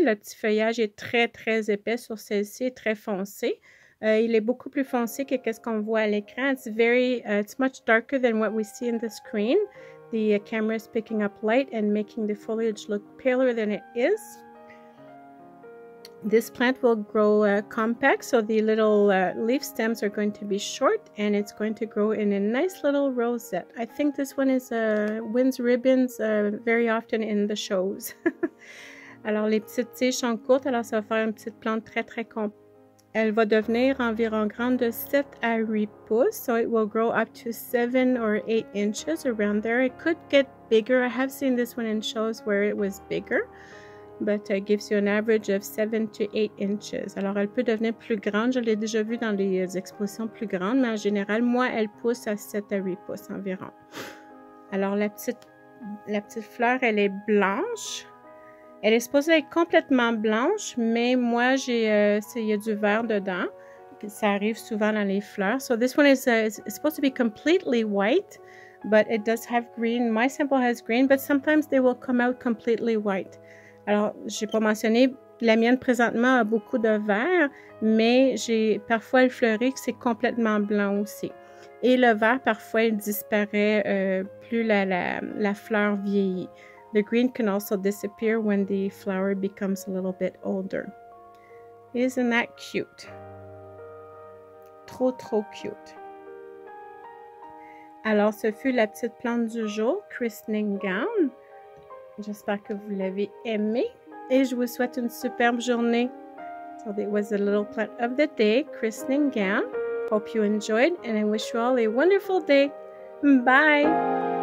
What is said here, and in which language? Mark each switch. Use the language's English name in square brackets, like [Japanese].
[French] Le petit feuillage est très, très épais sur celle-ci, très foncé. Il est beaucoup plus foncé que ce qu'on voit à l'écran. [English] It's very, it's much darker than what we see in the screen. The camera is picking up light and making the foliage look paler than it is. This plant will grow compact, so the little leaf stems are going to be short, and it's going to grow in a nice little rosette. I think this one is wins ribbons very often in the shows. [French] Alors, les petites tiges sont courtes, alors ça va faire une petite plante très, très compacte. [English] Elle va devenir environ grande de 7 à 8 pouces, so it will grow up to 7 or 8 inches around there. It could get bigger. I have seen this one in shows where it was bigger. But it gives you an average of 7 to 8 inches. [French] Alors, elle peut devenir plus grande. Je l'ai déjà vu dans les expositions plus grandes, mais en général, moi, elle pousse à 7 à 8 pouces environ. Alors, la petite fleur, elle est blanche. Elle est supposée être complètement blanche, mais moi, il y a du vert dedans. Ça arrive souvent dans les fleurs. [English] So, this one is supposed to be completely white, but it does have green. My sample has green, but sometimes they will come out completely white. [French] Alors, j'ai pas mentionné, la mienne présentement a beaucoup de vert, mais j'ai parfois le fleuri que c'est complètement blanc aussi. Et le vert, parfois, il disparaît plus la fleur vieillit. [English] The green can also disappear when the flower becomes a little bit older. Isn't that cute? Trop, trop cute. [French] Alors, ce fut la petite plante du jour, Christening Gown. J'espère que vous l'avez aimé et je vous souhaite une superbe journée. [English] So that was the little plant of the day, Christening Gown. Hope you enjoyed and I wish you all a wonderful day. Bye!